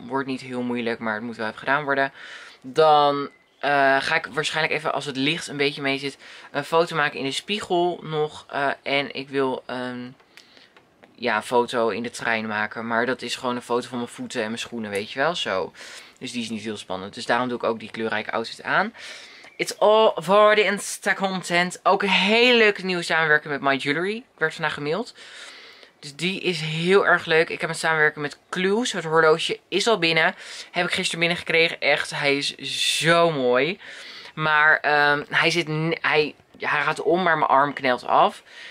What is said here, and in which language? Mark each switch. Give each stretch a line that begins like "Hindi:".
Dutch: Wordt niet heel moeilijk, maar het moet wel even gedaan worden. Dan ga ik waarschijnlijk even, als het licht een beetje mee zit, een foto maken in de spiegel nog. En ik wil ja, foto in de trein maken. Maar dat is gewoon een foto van mijn voeten en mijn schoenen, weet je wel, zo. Dus die is niet heel spannend. Dus daarom doe ik ook die kleurrijke outfit aan.
English: It's all for the Insta content.
Dutch: Ook een hele leuke nieuwe samenwerking met My Jewelry. Ik werd vandaag gemaild. Dus die is heel erg leuk. Ik heb een samenwerking met Clues. Het horloge is al binnen. Heb ik gisteren binnengekregen. Echt, hij is zo mooi. Maar hij gaat om, maar mijn arm knelt af.